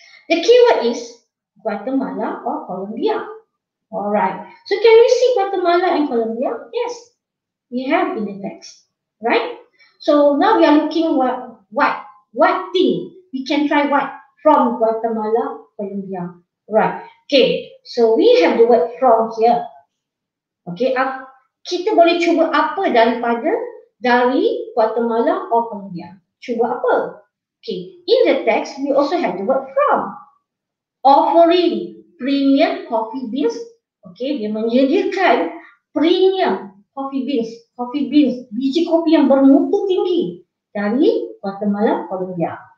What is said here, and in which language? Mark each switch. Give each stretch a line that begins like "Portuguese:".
English: The keyword is Guatemala or Colombia. Alright. So can we see Guatemala and Colombia? Yes. We have in the text. Right? So now we are looking what thing we can try what from Guatemala, Colombia. Right. Okay. So we have the word from here. Okay.
Malay: Kita boleh cuba apa daripada dari Guatemala or Colombia. Cuba apa? Okay.
English: In the text, we also have the word from. Offering premium coffee beans. Okay.
Malay: Dia menyediakan
English: premium coffee beans. Coffee beans.
Malay: Biji kopi yang bermutu tinggi. Dari Guatemala, Colombia.